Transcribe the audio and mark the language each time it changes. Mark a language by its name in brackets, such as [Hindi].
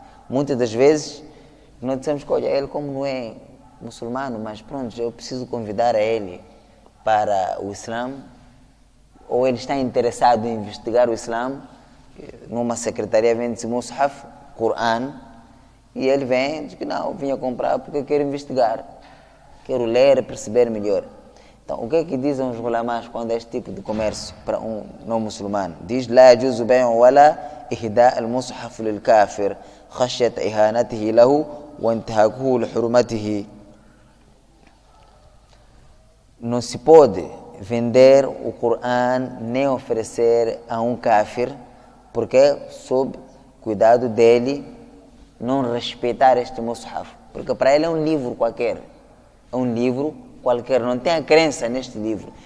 [Portuguese] Muitas das vezes, nós dizemos que, olha, ele como não é muçulmano, mas pronto, eu preciso convidar a ele para o Islã, ou ele está interessado em investigar o Islã, numa secretaria vende-se mushaf, Coran, e ele vem, diz que não, vinha comprar porque eu quero investigar, quero ler, perceber melhor. Então, o que é que dizem os ulamas quando é este tipo de comércio para um não-muçulmano? Diz, [Arabic] لا يجوز بيع ولا إهداء المصحف للكافر خشية إهانته له وانتهاكه لحرمته. [Portuguese] Não se pode vender o Coran nem oferecer a um kafir, porque sob cuidado dele não respeitar este mushaf. Porque para ele é um livro qualquer, é um livro qualquer, não tem a crença neste livro.